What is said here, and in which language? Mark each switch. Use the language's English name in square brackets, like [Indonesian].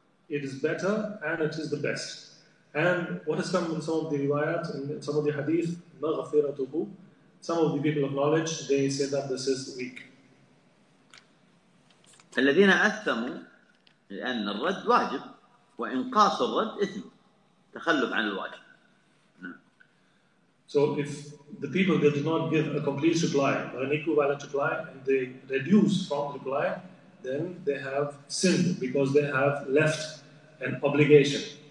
[English] It is better and it is the best. And what has come in some of the riwayat and some of the hadith, maghfiratuhu, some of the people of knowledge, they say that this is weak. [Arabic] الذين أثموا لأن الرد واجب وإنقاص الرد إثم تخلف عن الواجب. [English] So if the people they did not give a complete reply or an equivalent reply and they reduce from reply, then they have sinned because they have left an obligation.